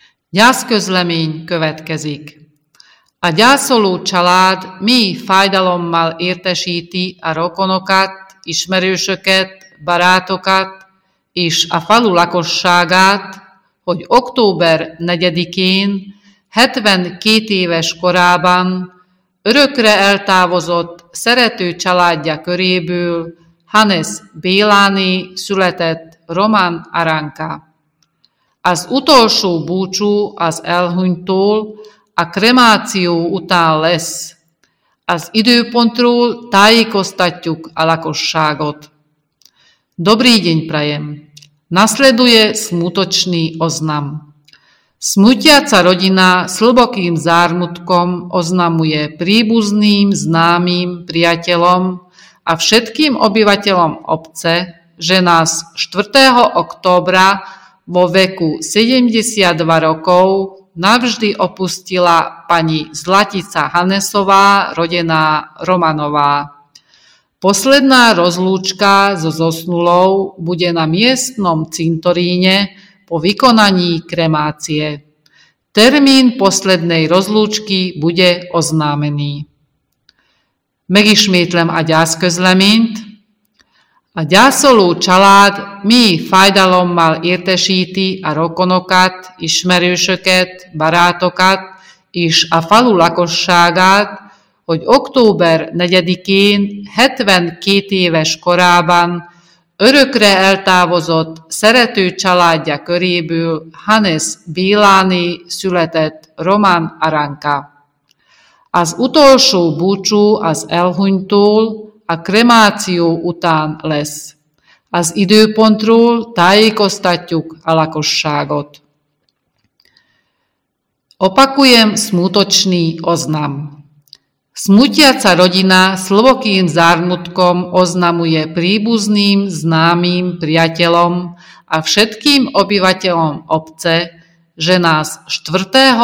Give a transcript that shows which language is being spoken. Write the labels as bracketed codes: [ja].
[hu] Gyászközlemény következik. A gyászoló család mély fájdalommal értesíti a rokonokat, ismerősöket, barátokat és a falu lakosságát, hogy október 4-én, 72 éves korában örökre eltávozott szerető családja köréből Hannes Béláné született Román Aranka. Az utolsó búcsú az elhunytól a kremáció után lesz. Az időpontról tájékoztatjuk a lakosságot. [sk] Dobrý deň prajem. Nasleduje smutočný oznam. Smutiaca rodina s hlbokým zármutkom oznamuje príbuzným, známym, priateľom a všetkým obyvateľom obce, že nás 4. októbra vo veku 72 rokov navždy opustila pani Zlatica Hannesová, rodená Romanová. Posledná rozlúčka so zosnulou bude na miestnom cintoríne po vykonaní kremácie. Termín poslednej rozlúčky bude oznámený. [hu] Megismétlem a gyászközleményt. A gyászoló család mi fájdalommal értesíti a rokonokat, ismerősöket, barátokat és a falu lakosságát, hogy október 4-én, 72 éves korában örökre eltávozott szerető családja köréből Hannes Béláné született Román Aranka. Az utolsó búcsú az elhunytól, a kremáció után lesz. Az időpontról tájékoztatjuk a lakosságot. [sk] Opakujem smutočný oznam. Smutiaca rodina s hlbokým zármutkom oznamuje príbuzným, známym, priateľom a všetkým obyvateľom obce, že nás 4.